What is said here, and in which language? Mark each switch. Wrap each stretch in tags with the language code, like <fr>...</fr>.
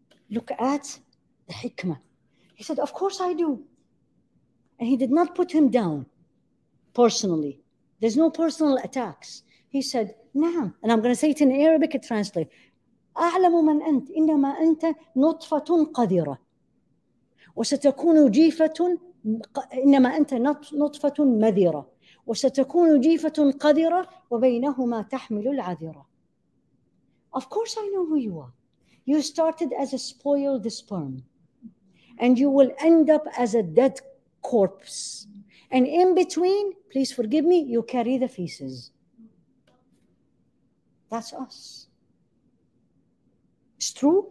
<en>Look at the hikmah. He said, of course I do. And he did not put him down personally. There's no personal attacks. He said, naam. And I'm going to say it in Arabic, it translates.</en> <ar>A'lamu man ant, innama anta nutfatun qadira. وستكون جيفة إنما أنت نطفة مذرة وستكون جيفة قذرة وبينهما تحمل العذرة.</ar> <en>Of course I know who you are. You started as a spoiled sperm and you will end up as a dead corpse. And in between, please forgive me, you carry the feces. That's us. It's true.</en>